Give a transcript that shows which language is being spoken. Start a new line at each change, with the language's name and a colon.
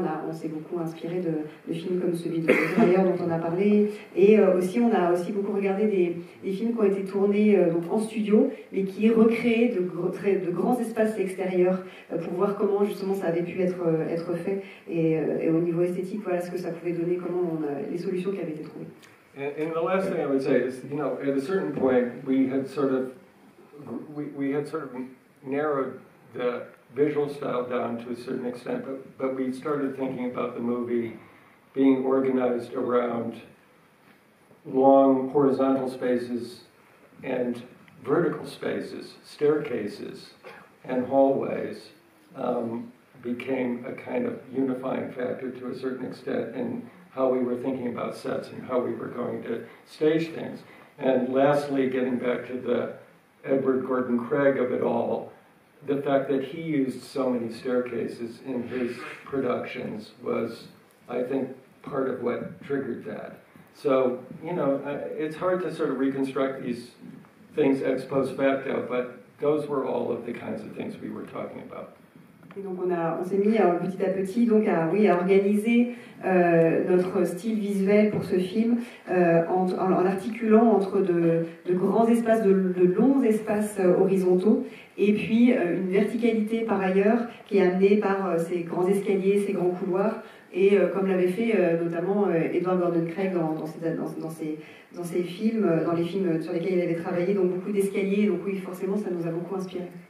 French: On s'est beaucoup inspiré de films comme celui de Dreyer dont on a parlé, et aussi on a aussi beaucoup regardé des films qui ont été tournés donc en studio, mais qui recréaient de grands espaces extérieurs pour voir comment justement ça avait pu être fait, et au niveau esthétique ce que ça pouvait donner, comment les solutions qui avaient été trouvées.
English: And the last thing I would say is, at a certain point we had sort of narrowed the visual style down to a certain extent, but we started thinking about the movie being organized around long horizontal spaces and vertical spaces, staircases and hallways became a kind of unifying factor to a certain extent in how we were thinking about sets and how we were going to stage things. And lastly, getting back to the Edward Gordon Craig of it all, the fact that he used so many staircases in his productions was, I think, part of what triggered that. So, it's hard to sort of reconstruct these things ex post facto, but those were all of the kinds of things we were talking about.
French: Et donc on s'est mis petit à petit à organiser notre style visuel pour ce film en articulant entre de grands espaces, de longs espaces horizontaux, et puis une verticalité par ailleurs qui est amenée par ces grands escaliers, ces grands couloirs, et comme l'avait fait notamment Edward Gordon Craig dans les films sur lesquels il avait travaillé, donc beaucoup d'escaliers, donc oui, forcément ça nous a beaucoup inspiré.